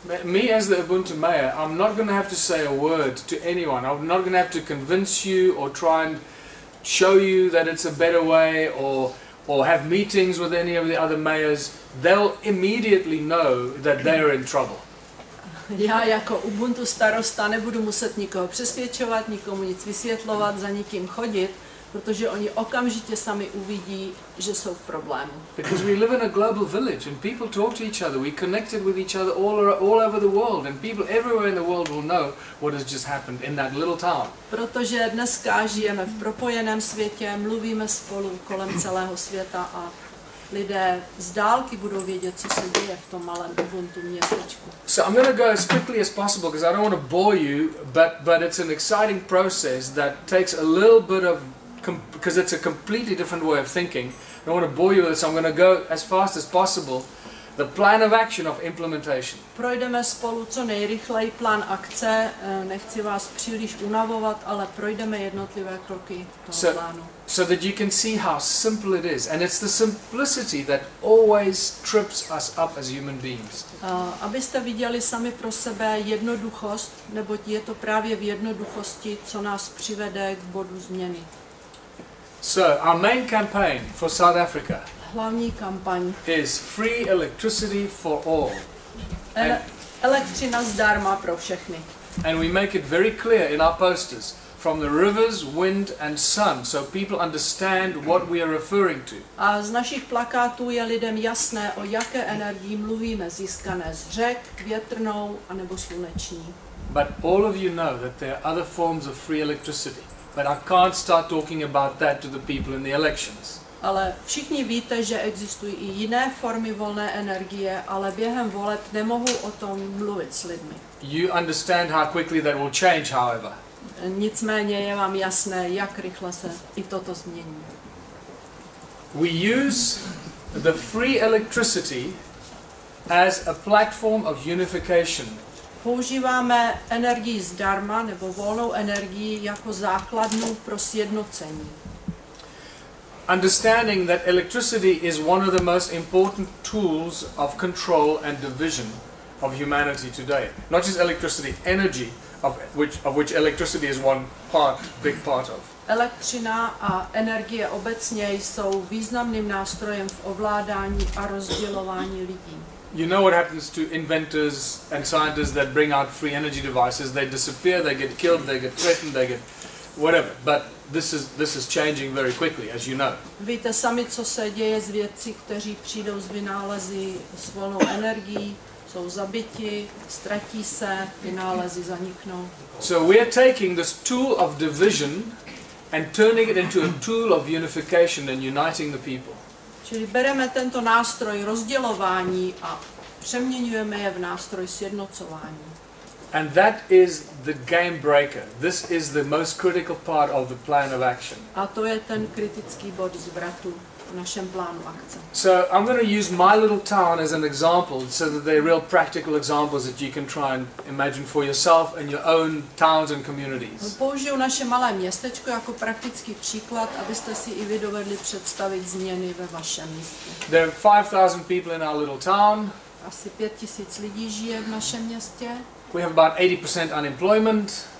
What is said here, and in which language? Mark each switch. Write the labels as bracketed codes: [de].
[en] Me as the Ubuntu mayor, I'm not going to have to say a word to anyone. I'm not going to have to convince you or try and show you that it's a better way or have meetings with any of the other mayors. They'll immediately know that they're in trouble. [cs] Já jako Ubuntu starosta nebudu muset nikoho přesvědčovat, nikomu nic vysvětlovat, za nikým chodit, protože oni okamžitě sami uvidí, že jsou v problému. [en] Because we live in a global village and people talk to each other, we connected with each other all over the world and people everywhere in the world will know what has just happened in that little town. [cs] Protože dneska žijeme v propojeném světě, mluvíme spolu kolem celého světa a lidé z dálky budou vědět, co se děje v tom malém Ubuntu městečku. [en] So I'm going to go as quickly as possible because I don't want to bore you, but it's an exciting process that takes a little bit of because it's a completely different way of thinking. I don't want to bore you with it, so I'm going to go as fast as possible. The plan of action of implementation. [cs] Projdeme spolu co nejrychleji plán akce. Nechci vás příliš unavovat, ale projdeme jednotlivé kroky toho plánu. [en] So that you can see how simple it is, and it's the simplicity that always trips us up as human beings. [cs] Abyste viděli sami pro sebe jednoduchost, neboť je to právě v jednoduchosti, co nás přivede k bodu změny. [en] So our main campaign for South Africa. [cs] Hlavní kampaň. [en] Is free electricity for all. [cs] Elektřina zdarma pro všechny. [en] And we make it very clear in our posters. From the rivers, wind and sun, so people understand what we are referring to. [cs] A z našich plakátů je lidem jasné, o jaké energii mluvíme, získané z řek, větrnou a nebo sluneční. [en] But all of you know that there are other forms of free electricity, but I can't start talking about that to the people in the elections. [cs] Ale všichni víte, že existují i jiné formy volné energie, ale během voleb nemohu o tom mluvit s lidmi. [en] You understand how quickly that will change, however. [cs] Nicméně je vám jasné, jak rychle se i toto změní. [en] We use the free electricity as a platform of unification. [cs] Používáme energii zdarma nebo volnou energii jako základnu pro sjednocení. [en] Understanding that electricity is one of the most important tools of control and division of humanity today. Not just electricity, energy. Of which electricity is one part, big part of. [cs] Elektřina a energie obecně jsou významným nástrojem v ovládání a rozdělování lidí. [en] You know what happens to inventors and scientists that bring out free energy devices? They disappear, they get killed, they get threatened, they get whatever. But this is changing very quickly, as you know. [cs] Víte sami, co se děje s vědci, kteří přijdou s vynálezy s volnou energií, jsou zabiti, ztratí se, vynálezy zaniknou. [en] So we are taking this tool of division and turning it into a tool of unification and uniting the people. [cs] Čili bereme tento nástroj rozdělování a přeměňujeme je v nástroj sjednocování. [en] And that is the game breaker. This is the most critical part of the plan of action. [cs] A to je ten kritický bod zvratu v našem plánu akce. [en] So I'm going to use my little town as an example, so that they're real practical examples that you can try and imagine for yourself and your own towns and communities. [cs] Použiju naše malé městečko jako praktický příklad, abyste si i vy dovedli představit změny ve vašem městě. [en] There are 5,000 people in our little town. [cs] Asi 5,000 lidí žije v našem městě. [en] We have about 80% unemployment.